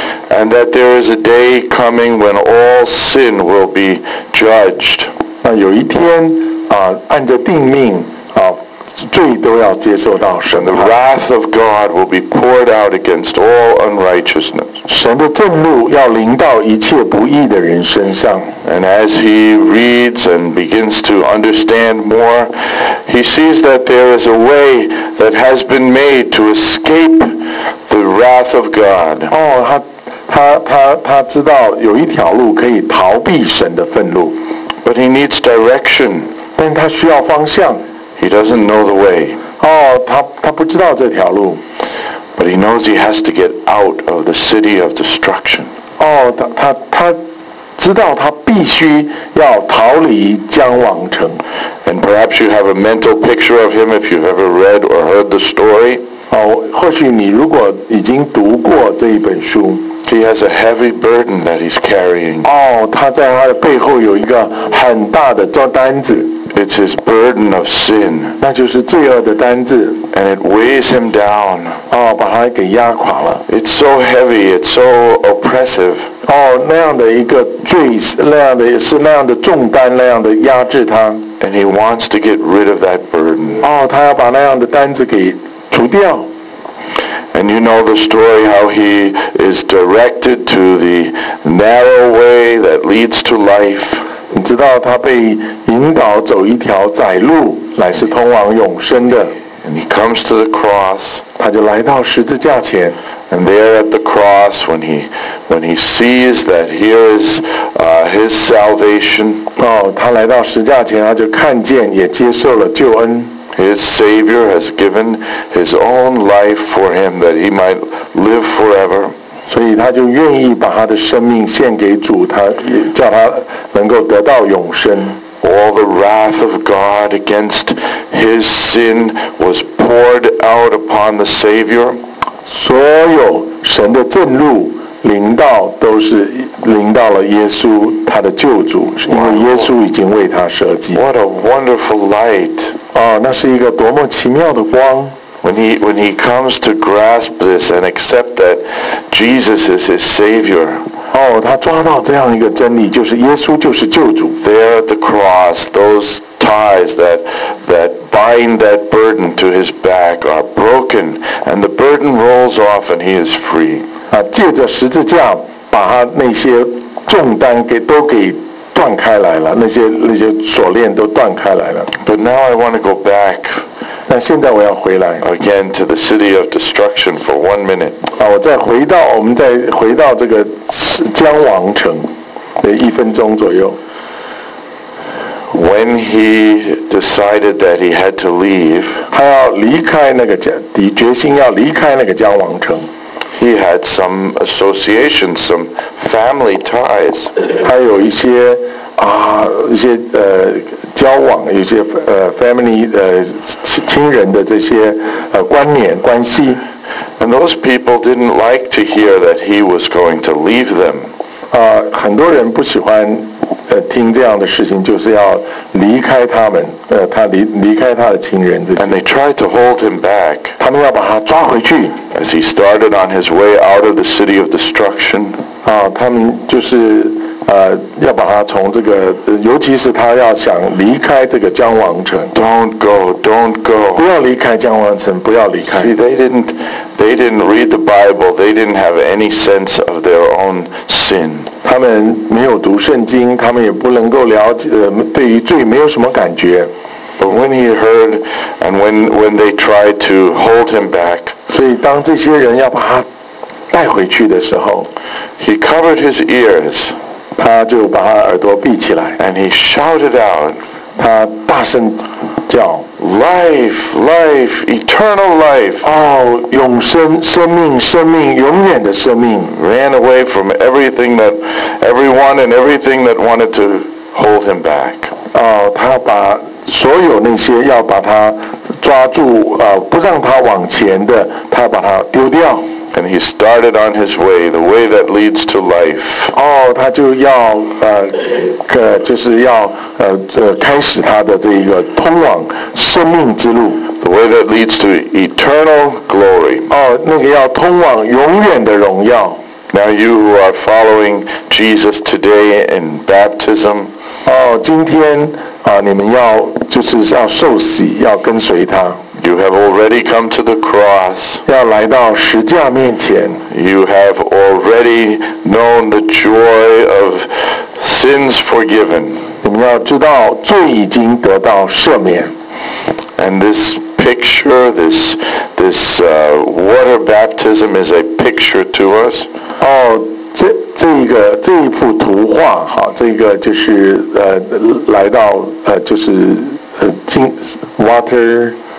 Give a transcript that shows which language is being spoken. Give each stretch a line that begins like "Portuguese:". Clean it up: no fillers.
English: And that there is a day coming when all sin will be judged.
Chinese: 那有一天啊，按着定命啊，罪都要接受到神
English: 的。The wrath of God will be poured out against all unrighteousness.
Chinese: 神的震怒要临到一切不义的人身上。
English: And as he reads and begins to understand more, he sees that there is a way that has been made to escape the wrath of God.
Chinese: 哦，他知道有一条路可以逃避神的愤怒。
English: But he needs direction.
Chinese: 但他需要方向。
English: He doesn't know the way.
Chinese: 哦，他不知道这条路。
English: But he knows he has to get out of the city of destruction.
Chinese: 哦，他知道他必须要逃离将亡城。
English: And perhaps you have a mental picture of him if you've ever read or heard the story.
Chinese: 哦，或许你如果已经读过这一本书。
English: He has a heavy burden that he's carrying.
Chinese: 哦，他在他的背后有一个很大的担子。
English: It's his burden of sin.
Chinese: 那就是罪恶的担子。
English: And it weighs him down.
Chinese: 哦，把他给压垮了。
English: It's so heavy. It's so oppressive.
Chinese: 哦，那样的一个罪，那样的是那样的重担，那样的压制他。
English: And he wants to get rid of that burden.
Chinese: 哦，他要把那样的担子给除掉。
English: And you know the story how he is directed to the narrow way that leads to life.
Chinese: 你知道他被引导走一条窄路，乃是通往永生的。
English: And he comes to the cross.
Chinese: 他就来到十字架前。
English: And there at the cross, when he sees that here is his salvation.
Chinese: 哦，他来到十字架前，他就看见也接受了救恩。
English: His Savior has given his own life for him that he might live forever.
Chinese: 所以他就愿意把他的生命献给主，他叫他能够得到永生。
English: All the wrath of God against his sin was poured out upon the Savior.
Chinese: 所有神的震怒临到都是临到了耶稣，他的救主，因为耶稣已经为他舍己。
English: What a wonderful light!
Chinese: 啊，那是一个多么奇妙的光！
English: When he comes to grasp this and accept that Jesus is his Savior.
Chinese: 哦，他抓到这样一个真理，就是耶稣就是救主。
English: There at the cross, those ties that bind that burden to his back are broken, and the burden rolls off, and he is free.
Chinese: 啊，借着十字架把他那些重担给都给断开来了，那些锁链都断开来了。
English: But now I want to go back.
Chinese: 那现在我要回来。
English: Again to the city of destruction for one minute.
Chinese: 啊，我们再回到这个将亡城，一分钟左右。
English: When he decided that he had to leave,
Chinese: 他要离开那个将，你决心要离开那个将亡城。
English: He had some associations, some family ties.
Chinese: 他有一些啊，一些交往，有些family 亲人的这些关联关系。
English: And those people didn't like to hear that he was going to leave them.
Chinese: 啊，很多人不喜欢听这样的事情，就是要离开他们，他离开他的亲人。
English: And they tried to hold him back.
Chinese: 他们要把他抓回去。
English: As he started on his way out of the city of destruction.
Chinese: 啊，他们就是要把他从这个，尤其是他要想离开这个江王城。
English: Don't go, don't go.
Chinese: 不要离开江王城，不要离开。
English: See, they didn't read the Bible. They didn't have any sense of their own sin.
Chinese: 他们没有读圣经，他们也不能够了解，对于罪没有什么感觉。
English: But when he heard, and when they tried to hold him back,
Chinese: 所以当这些人要把他带回去的时候
English: ，he covered his ears.
Chinese: 他就把他耳朵闭起来
English: ，and he shouted out.
Chinese: 他大声叫
English: ，life, life, eternal life.
Chinese: 哦，永生，生命，生命，永远的生命。
English: Ran away from everything that everyone and everything that wanted to hold him back.
Chinese: 哦，他把所有那些要把他抓住不让他往前的，他把他丢掉。
English: And he started on his way, the way that leads to life.
Chinese: 哦，他就要就是要开始他的这个通往生命之路。
English: The way that leads to eternal glory.
Chinese: 哦，那个要通往永远的荣耀。
English: Now you who are following Jesus today in baptism.
Chinese: 哦，今天。你们要就是要受洗，要跟随他。
English: You have already come to the cross.
Chinese: 要来到十字架面前。
English: You have already known the joy of sins forgiven.
Chinese: 你们要知道罪已经得到赦免。
English: And this picture, this water baptism is a picture to us.
Chinese: 哦，这一幅图画，好，这个就是来到就是浸 water